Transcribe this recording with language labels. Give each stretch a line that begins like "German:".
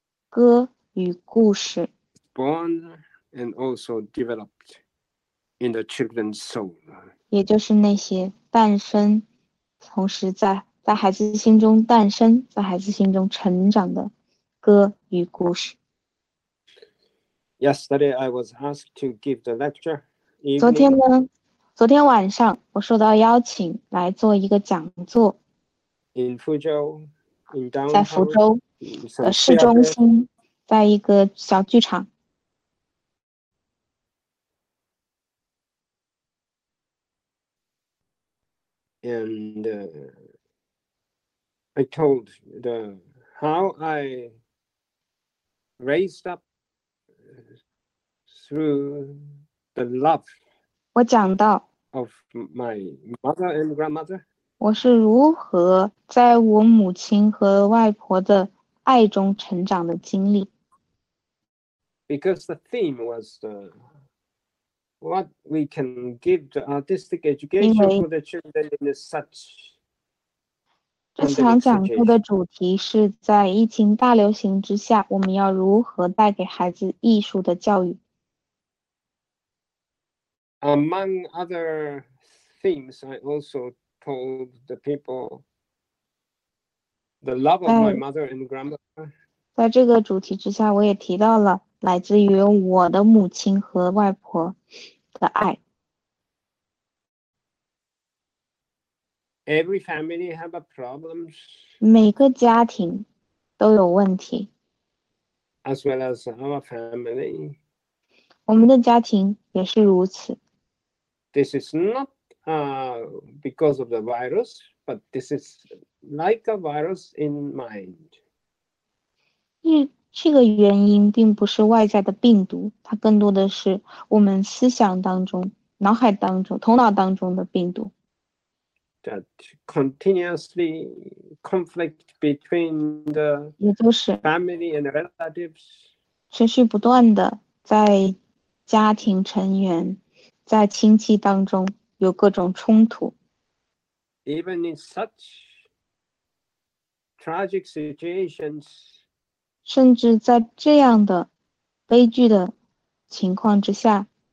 Chinese: 歌与故事
English: born. And also developed in the children's soul.
Chinese: 也就是那些诞生，同时在孩子心中诞生，在孩子心中成长的歌与故事。
English: Yesterday, I was asked to give the lecture.
Chinese: 昨天晚上我受到邀请来做一个讲座。
English: In Fuzhou, in downtown,
Chinese: 在福州的市中心，在一个小剧场。
English: And I told the how I raised up through the love.
Chinese: 我讲到
English: of my mother and grandmother.
Chinese: 我是如何在我母亲和外婆的爱中成长的经历。
English: Because the theme was the what we can give the artistic education for the children in such
Chinese: 这场讲座的主题是在疫情大流行之下，我们要如何带给孩子艺术的教育。
English: Among other themes, I also told the people the love of my mother and grandmother.
Chinese: 在这个主题之下，我也提到了来自于我的母亲和外婆的爱。
English: Every family have a problems.
Chinese: 每个家庭都有问题。
English: As well as our family.
Chinese: 我们的家庭也是如此。
English: This is not because of the virus, but this is like a virus in mind.
Chinese: 这个原因并不是外在的病毒，它更多的是我们思想当中、脑海当中、头脑当中的病毒。
English: That continuously conflict between the family and the relatives.
Chinese: 持续不断的在家庭成员、在亲戚当中有各种冲突。
English: Even in such tragic situations. 甚至在这样的悲剧的情况之下。